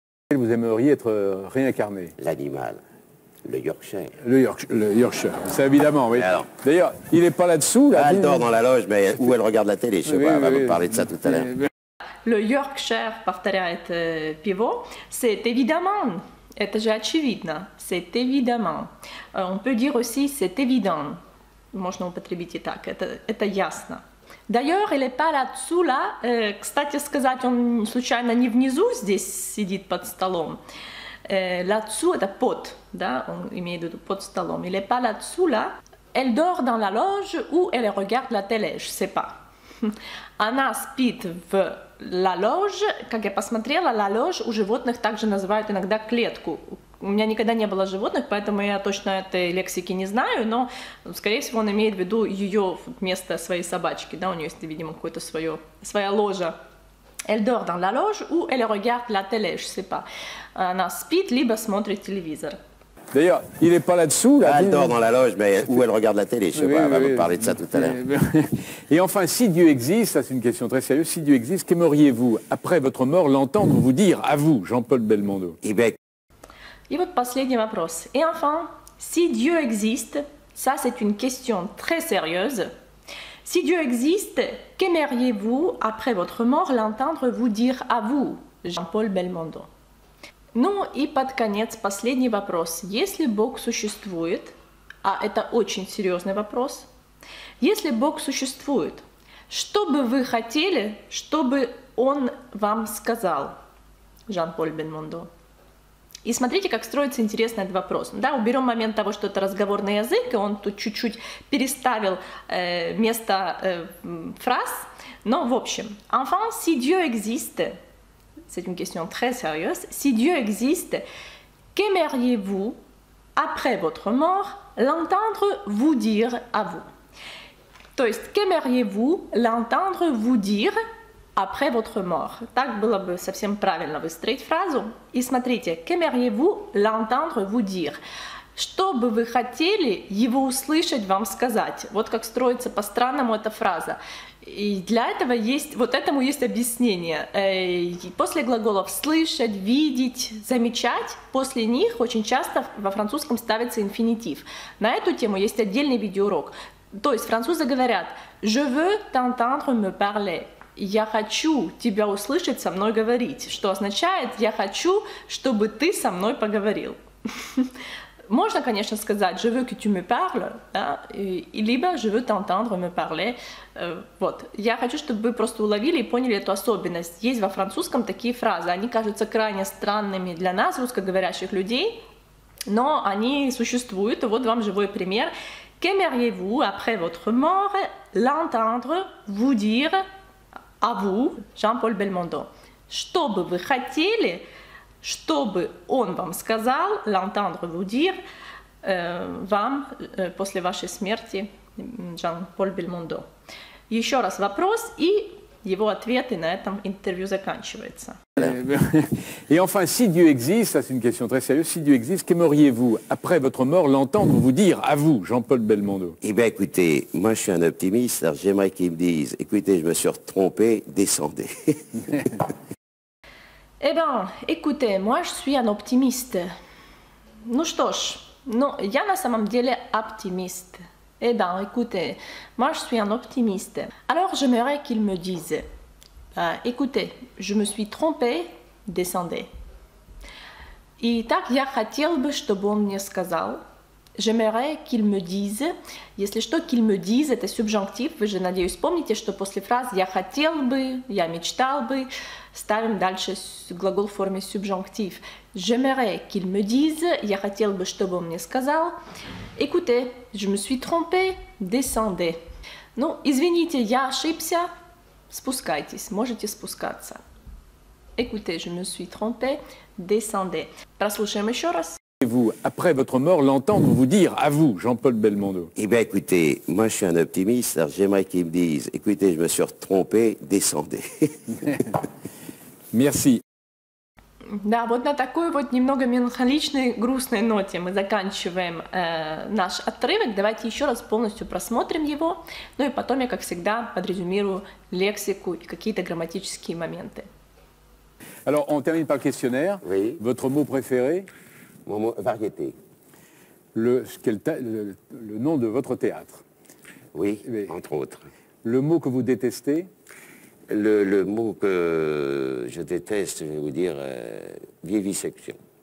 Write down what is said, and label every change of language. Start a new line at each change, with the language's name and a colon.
French: Vous aimeriez être réincarné? L'animal. Le Yorkshire. Le Yorkshire, c'est évidemment, oui. Alors, d'ailleurs, il n'est pas là-dessous, là. Elle dort dans la loge, mais où elle regarde la télé, je ne sais pas, elle va vous parler de ça tout à l'heure. Le Yorkshire,
Russian: повторяет
French: Pivo, c'est évidemment,
Russian: это же очевидно,
French: c'est évidemment. On peut dire aussi, c'est évident,
Russian: можно употребить и так, это ясно.
French: D'ailleurs, il n'est pas là-dessous, là,
Russian: кстати сказать, он случайно не внизу здесь сидит под столом. Là-dessous, это под, да, он имеет в виду под столом.
French: Il n'est pas là-dessous, là, elle dort dans la loge ou elle regarde la télé, je ne sais pas.
Russian: Она спит в la loge, как я посмотрела, la loge, у животных также называют иногда клетку. У меня никогда не было животных, поэтому я точно этой лексики не знаю, но, скорее всего, он имеет в виду ее место своей собачки, да, у нее есть, видимо, какое-то свое, своя ложа.
French: Elle dort dans la loge ou elle regarde la télé, je ne sais pas.
Russian: Она спит, либо смотрит телевизор.
French: D'ailleurs, il n'est pas là-dessous. Là, elle dort dans la loge, mais où elle regarde la télé, je ne sais pas, elle va vous parler de ça tout à l'heure. Et enfin, si Dieu existe, ça c'est une question très sérieuse, si Dieu existe, qu'aimeriez-vous, après votre mort, l'entendre vous dire, à vous, Jean-Paul Belmondo? Et votre
Russian: последний вопрос.
French: Et enfin, si Dieu existe, ça c'est une question très sérieuse, si Dieu existe, qu'aimeriez-vous, après votre mort, l'entendre vous dire à vous, Jean-Paul Belmondo?
Russian: Ну и под конец последний вопрос. Если Бог существует, а это очень серьезный вопрос, если Бог существует, что бы вы хотели, чтобы Он вам сказал, Жан-Поль Бельмондо? И смотрите, как строится интересный этот вопрос. Да, уберем момент того, что это разговорный язык, и он тут чуть-чуть переставил место фраз. Но в общем,
French: «Enfin, si Dieu existe», c'est une question très sérieuse. Si Dieu existe, qu'aimeriez-vous, après votre mort, l'entendre vous dire à vous?
Russian: То есть,
French: qu'aimeriez-vous l'entendre vous dire après votre mort?
Russian: Так было бы совсем правильно выстроить фразу. И смотрите,
French: qu'aimeriez-vous l'entendre vous dire?
Russian: Что бы вы хотели его услышать вам сказать? Вот как строится по-странному эта фраза. И для этого есть, вот этому есть объяснение. После глаголов «слышать», «видеть», «замечать», после них очень часто во французском ставится инфинитив. На эту тему есть отдельный видеоурок. То есть французы говорят
French: «je veux t'entendre me parler».
Russian: «Я хочу тебя услышать со мной говорить», что означает «я хочу, чтобы ты со мной поговорил». Можно, конечно, сказать
French: «je veux que tu me parles»,
Russian: да? Либо
French: «je veux t'entendre me parler».
Russian: Вот. Я хочу, чтобы вы просто уловили и поняли эту особенность. Есть во французском такие фразы, они кажутся крайне странными для нас, русскоговорящих людей,
French: Non,
Russian: они существуют. Вот вам живой пример.
French: Qu'aimeriez-vous, après votre mort, l'entendre vous dire à vous, Jean-Paul Belmondo?
Russian: Что бы вы хотели, чтобы он вам сказал,
French: l'entendre vous dire,
Russian: вам, после вашей смерти, Jean-Paul Belmondo? Еще раз вопрос, и его ответы на этом интервью заканчивается.
French: Et enfin, si Dieu existe, ça c'est une question très sérieuse, si Dieu existe, qu'aimeriez-vous, après votre mort, l'entendre vous dire, à vous, Jean-Paul Belmondo? Eh bien, écoutez, moi je suis un optimiste, alors j'aimerais qu'ils me disent, écoutez, je me suis trompé, descendez. Eh bien, écoutez, moi je suis un optimiste.
Russian: Ну что ж, ну, я на самом деле оптимист.
French: Eh bien, écoutez, moi je suis un optimiste. Alors j'aimerais qu'ils me disent, écoutez, je me suis trompé, descendez.
Russian: Итак, я хотел бы, чтобы он мне сказал.
French: J'aimerais qu'ils me disent.
Russian: Если что,
French: qu'ils me disent,
Russian: это субжонктив. Вы же, надеюсь, помните, что после фразы я хотел бы, я мечтал бы, ставим дальше глагол в форме субжонктив.
French: J'aimerais qu'ils me disent.
Russian: Я хотел бы, чтобы он мне сказал.
French: Écoutez, je me suis trompé, descendez.
Russian: Ну, извините, я ошибся, спускайтесь, можете спускаться.
French: Écoutez, je me suis trompé, descendez.
Russian: Прослушаем еще раз.
French: Vous, après votre mort, l'entendre vous dire, à vous, Jean-Paul Belmondo? Eh bien, écoutez, moi je suis un optimiste, alors j'aimerais qu'ils me disent, écoutez, je me suis trompé, descendez. Merci.
Russian: Да, вот на такой вот немного меланхоличной, грустной ноте мы заканчиваем наш отрывок. Давайте еще раз полностью просмотрим его. Ну и потом я, как всегда, подрезюмирую лексику и какие-то грамматические моменты.
French: Alors, on termine par questionnaire. Oui. Votre mot préféré? Mon mot, variété. Le nom de votre théâtre? Oui, mais, entre autres. Le mot que vous détestez? Le mot que je déteste, je vais vous dire, vivisection.